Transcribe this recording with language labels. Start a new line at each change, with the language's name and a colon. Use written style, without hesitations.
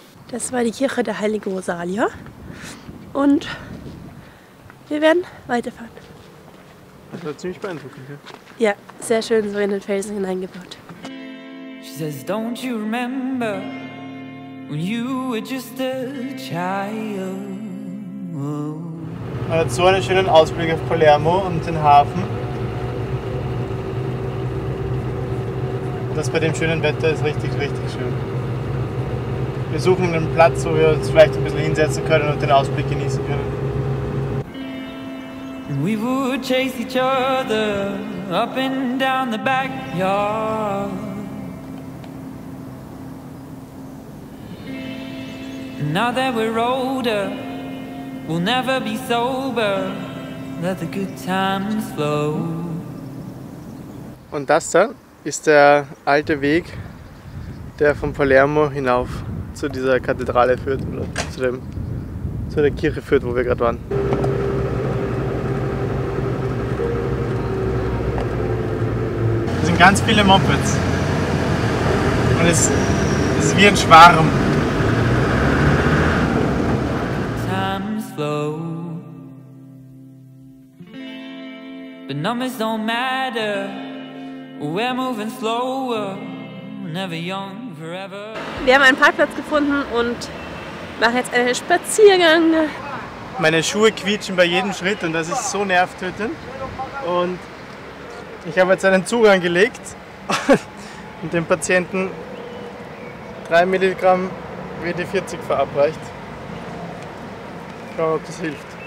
German: Das war die Kirche der Heiligen Rosalia und wir werden weiterfahren. Das war ziemlich beeindruckend, ja? Ja, sehr schön so in den Felsen hineingebaut.
English: She says, don't you remember when you were just a child? Oh.
German: Man hat so einen schönen Ausblick auf Palermo und den Hafen. Das bei dem schönen Wetter ist richtig, richtig schön. Wir suchen einen Platz, wo wir uns vielleicht ein bisschen hinsetzen können und den Ausblick genießen können.
English: We would chase each other up and down the backyard. Now that we're older, we'll never be sober. Let the good times flow.
German: Und das da ist der alte Weg, der von Palermo hinauf zu dieser Kathedrale führt, oder zu der Kirche führt, wo wir gerade waren. Es sind ganz viele Mopeds. Und es ist wie ein Schwarm.
English: Time's slow. But numbers don't matter. We're moving slower. Never young. Forever.
German: Wir haben einen Parkplatz gefunden und machen jetzt einen Spaziergang. Meine Schuhe quietschen bei jedem Schritt und das ist so nervtötend. Und ich habe jetzt einen Zugang gelegt und dem Patienten 3 Milligramm WD-40 verabreicht. Schauen wir, ob das hilft.